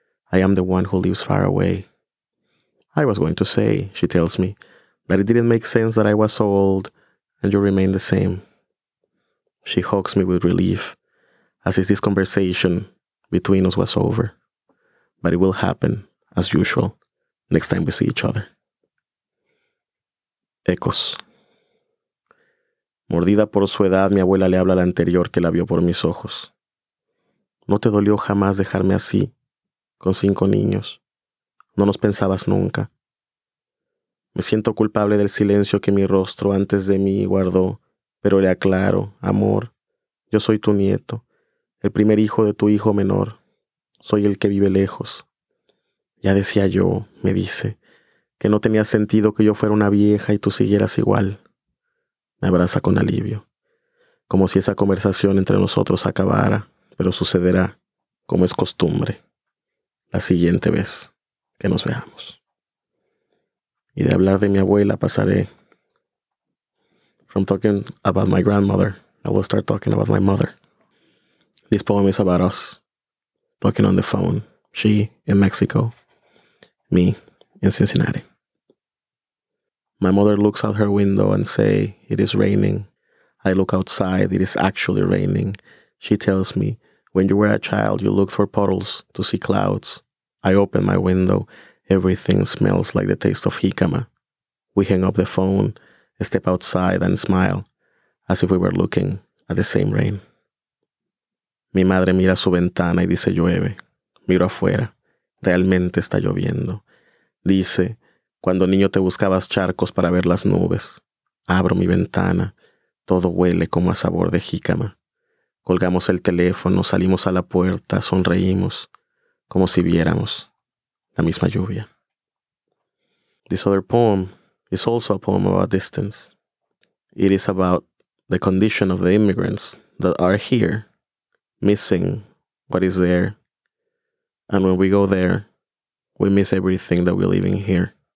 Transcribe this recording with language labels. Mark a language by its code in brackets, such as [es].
[en] I am the one who lives far away. I was going to say, she tells me, that it didn't make sense that I was so old and you remain the same. She hugs me with relief, as if this conversation between us was over, but it will happen, as usual, next time we see each other. [es] Ecos. Mordida por su edad, mi abuela le habla al anterior que la vio por mis ojos. ¿No te dolió jamás dejarme así, con cinco niños? ¿No nos pensabas nunca? Me siento culpable del silencio que mi rostro antes de mí guardó, pero le aclaro, amor, yo soy tu nieto, el primer hijo de tu hijo menor, soy el que vive lejos. Ya decía yo, me dice, que no tenía sentido que yo fuera una vieja y tú siguieras igual. Me abraza con alivio, como si esa conversación entre nosotros acabara, pero sucederá, como es costumbre, la siguiente vez que nos veamos. Y de hablar de mi abuela pasaré. [en] From talking about my grandmother, I will start talking about my mother. This poem is about us, talking on the phone. She in Mexico, me in Cincinnati. My mother looks out her window and say, it is raining. I look outside, it is actually raining. She tells me, when you were a child, you looked for puddles to see clouds. I open my window. Everything smells like the taste of jicama. We hang up the phone, step outside and smile, as if we were looking at the same rain. [es] Mi madre mira su ventana y dice llueve. Miro afuera. Realmente está lloviendo. Dice, cuando niño te buscabas charcos para ver las nubes. Abro mi ventana. Todo huele como a sabor de jícama. Colgamos el teléfono, salimos a la puerta, sonreímos, como si viéramos la misma lluvia. [en] This other poem is also a poem about distance. It is about the condition of the immigrants that are here, missing what is there. And when we go there, we miss everything that we're leaving here.